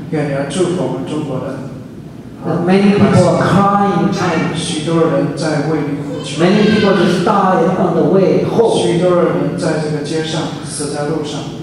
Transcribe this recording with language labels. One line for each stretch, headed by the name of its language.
Chinese: 愿你要祝福我们中国人。
English: Many people are crying in China.
Chinese: 许多人在为你哭泣。
English: Many people just died on the way home.
Chinese: 许多人在这个街上死在路上。